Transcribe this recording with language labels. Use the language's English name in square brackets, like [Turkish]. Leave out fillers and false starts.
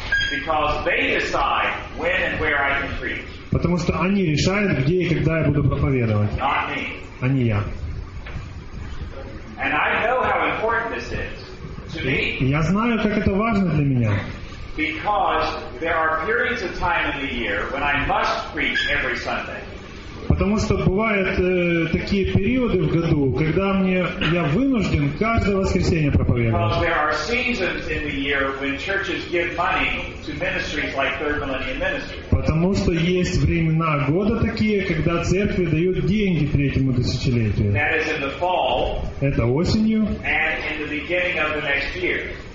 [English] Because they decide when and where I can preach. [Russian] Потому что они решают, где и когда я буду проповедовать. [English] Not me. [Russian] А не я. [English] And I know how important this is. [Russian] Я знаю, как это важно для меня. [English] Because there are periods of time in the year when I must preach every Sunday. [Russian] Потому что бывают такие периоды в году, когда мне я вынужден каждое воскресенье проповедовать. [English] Because there are seasons in the year when churches give money to ministries like Third Millennium Ministry. [Russian] Потому что есть времена года такие, когда церкви дают деньги третьему тысячелетию. [English] That is in the fall. [Russian] Это осенью. [English] And in the beginning of the next year.